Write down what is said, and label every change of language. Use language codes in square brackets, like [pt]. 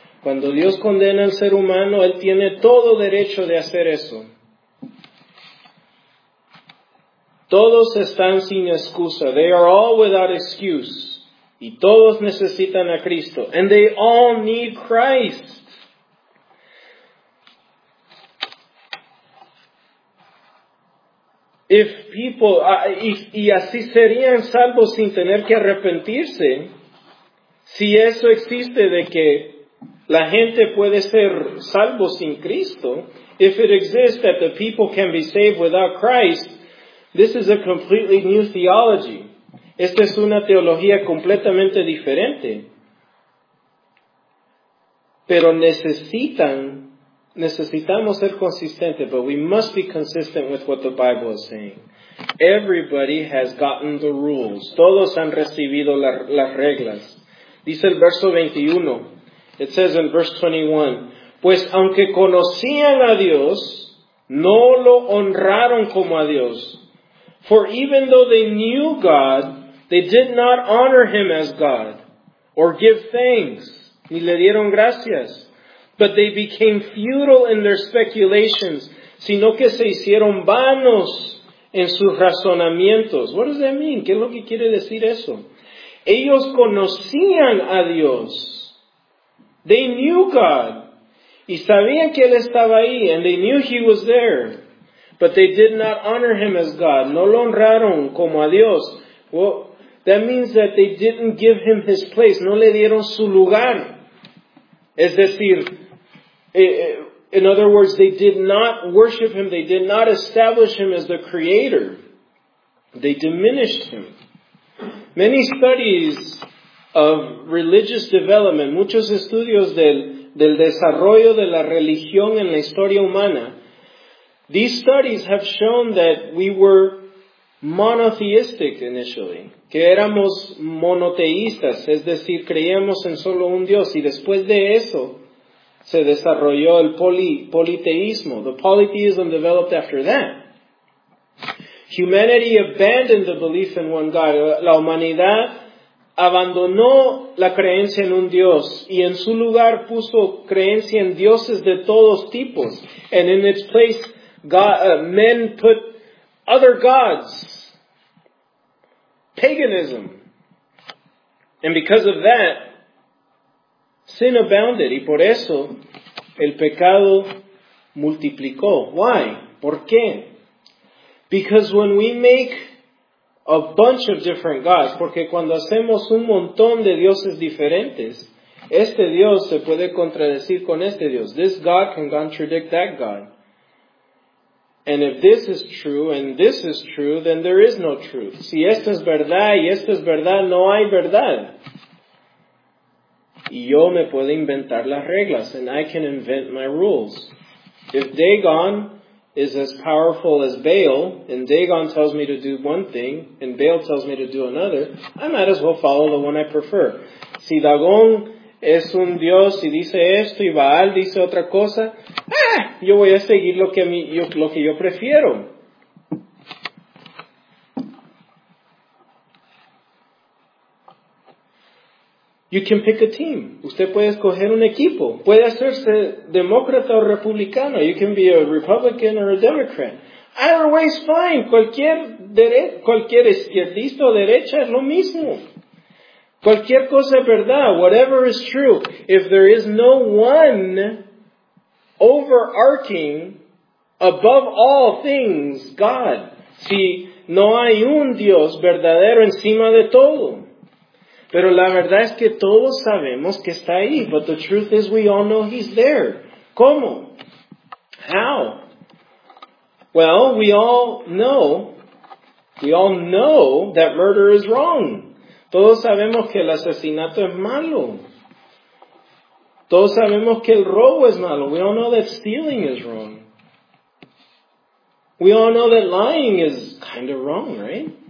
[es] Cuando Dios condena al ser humano, Él tiene todo derecho de hacer eso. Todos están sin excusa. [en] They are all without excuse. [es] Y todos necesitan a Cristo. [en] And they all need Christ. If people, [es] y así serían salvos sin tener que arrepentirse, si eso existe de que la gente puede ser salvo sin Cristo, [en] if it exists that the people can be saved without Christ, this is a completely new theology. [es] Esta es una teología completamente diferente. Pero necesitan Necesitamos ser consistentes, [en] but we must be consistent with what the Bible is saying. Everybody has gotten the rules. [es] Todos han recibido las reglas. Dice el verso 21. [en] It says in verse 21, [es] pues aunque conocían a Dios, no lo honraron como a Dios. [en] For even though they knew God, they did not honor him as God, or give thanks, [es] ni le dieron gracias. [en] But they became futile in their speculations, [es] sino que se hicieron vanos en sus razonamientos. [en] What does that mean? [es] ¿Qué es lo que quiere decir eso? Ellos conocían a Dios. [en] They knew God. [es] Y sabían que Él estaba ahí. [en] And they knew He was there. But they did not honor Him as God. [es] No lo honraron como a Dios. [en] Well, that means that they didn't give Him His place. [es] No le dieron su lugar. Es decir, [en] in other words, they did not worship Him. They did not establish Him as the Creator. They diminished Him. Many studies of religious development, [es] muchos estudios del desarrollo de la religión en la historia humana, [en] these studies have shown that we were monotheistic initially, [es] que éramos monoteístas, es decir, creíamos en solo un Dios, y después de eso se desarrolló el politeísmo. [en] The polytheism developed after that. Humanity abandoned the belief in one God. [es] La humanidad abandonó la creencia en un Dios y en su lugar puso creencia en dioses de todos tipos. [en] And in its place, men put other gods, paganism. And because of that, sin abounded. [es] Y por eso, el pecado multiplicó. [en] Why? [es] ¿Por qué? [en] Because when we make a bunch of different gods, [es] porque cuando hacemos un montón de dioses diferentes, este Dios se puede contradecir con este Dios. [en] This God can contradict that God. And if this is true and this is true, then there is no truth. [es] Si esto es verdad y esto es verdad, no hay verdad. Y yo me puedo inventar las reglas, [en] and I can invent my rules. If Dagon is as powerful as Baal, and Dagon tells me to do one thing, and Baal tells me to do another, I might as well follow the one I prefer. [es] Si Dagon es un dios y dice esto, y Baal dice otra cosa, yo voy a seguir lo que yo prefiero. [en] You can pick a team. [es] Usted puede escoger un equipo. Puede hacerse demócrata o republicano. [en] You can be a Republican or a Democrat. Either way is fine. [es] Cualquier izquierdista o derecha es lo mismo. Cualquier cosa es verdad. [en] Whatever is true. If there is no one overarching above all things, God. [es] Si no hay un Dios verdadero encima de todo. Pero la verdad es que todos sabemos que está ahí. [en] But the truth is we all know He's there. [es] ¿Cómo? [en] How? Well, we all know that murder is wrong. [es] Todos sabemos que el asesinato es malo. Todos sabemos que el robo es malo. [en] We all know that stealing is wrong. We all know that lying is kind of wrong, right?